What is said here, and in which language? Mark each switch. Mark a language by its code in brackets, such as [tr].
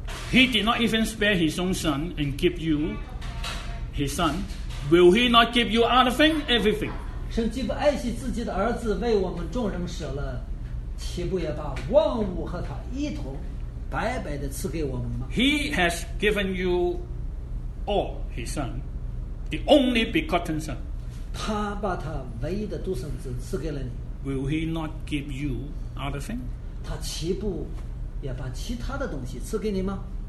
[en] He did not even spare his own son and give you his son. Will he not give you other thing? Everything. [zh] 神既不爱惜自己的儿子为我们众人舍了，岂不也把万物和他一同白白的赐给我们吗？ [en] He has given you all his son, the only begotten son. [zh] 他把他唯一的独生子赐给了你。 [en] Will he not give you other thing? [zh] 他岂不也把其他的东西赐给你吗？